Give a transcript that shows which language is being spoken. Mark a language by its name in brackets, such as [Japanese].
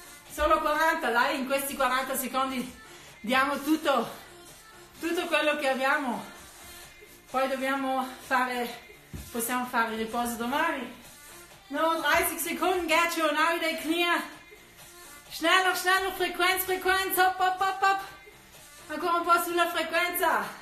[Italian] Solo 40, dai. In questi 40 secondi diamo tutto. Tutto quello che abbiamo. Poi dobbiamo fare, possiamo fare il riposo domani. [German] Noch 30 Sekunden geht schon, auch in den Knie. Schneller, schneller, Frequenz, Frequenz, hopp, hopp, hopp, hopp. [Italian] Ancora un po' sulla frequenza.